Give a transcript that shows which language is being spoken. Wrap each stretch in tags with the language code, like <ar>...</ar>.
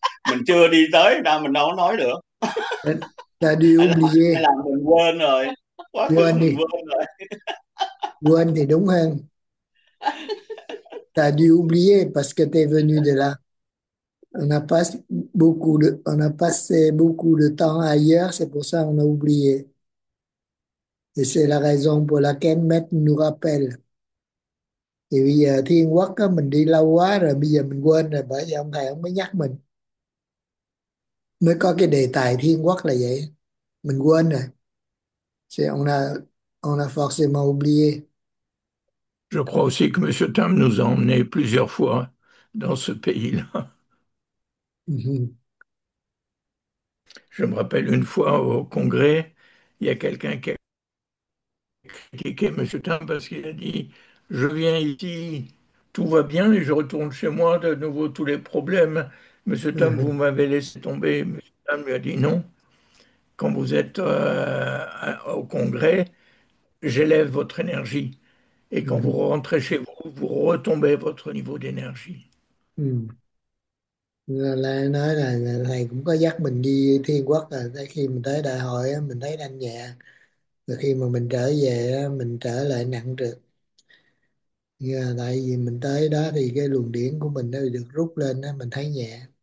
<vi>Mình chưa đi tới nào mình đâu nói được.</vi> <fr>oublier.</fr> <vi>Hay là mình quên rồi, quá khứ Quên mình quên rồi. Quên thì đúng hơn.</vi> <fr>T'as dû oublier parce que t'es venu de là. On a passé beaucoup de temps ailleurs, c'est pour ça qu'on a oublié. Et c'est la raison pour laquelle Maître nous rappelle.</fr> <vi>Et bây giờ thiên quốc á, mình đi lâu quá rồi, bây giờ mình quên rồi, bởi vì ông thầy ông mới nhắc mình. Mới có cái đề tài thiên quốc là vậy. Mình quên rồi.</vi> <fr>On a forcément oublié. Je crois aussi que M. Tam nous a emmenés plusieurs fois dans ce pays-là. Je me rappelle une fois au Congrès, il y a quelqu'un qui a critiqué M. Tam parce qu'il a dit: Je viens ici, tout va bien, et je retourne chez moi, de nouveau tous les problèmes. M. Tam, vous m'avez laissé tomber. M. Tam lui a dit: Non, quand vous êtes au Congrès, j'élève votre énergie. Et quand vous rentrez chez vous, vous retombez votre niveau d'énergie.</fr> <vi>Là nói là thầy cũng có dắt mình đi thiên quốc, là tới khi mình tới đại hội á, mình thấy thanh nhẹ, rồi khi mà mình trở về á, mình trở lại nặng trược. Là tại vì mình tới đó thì cái luồng điển của mình nó được rút lên á, mình thấy nhẹ.</vi>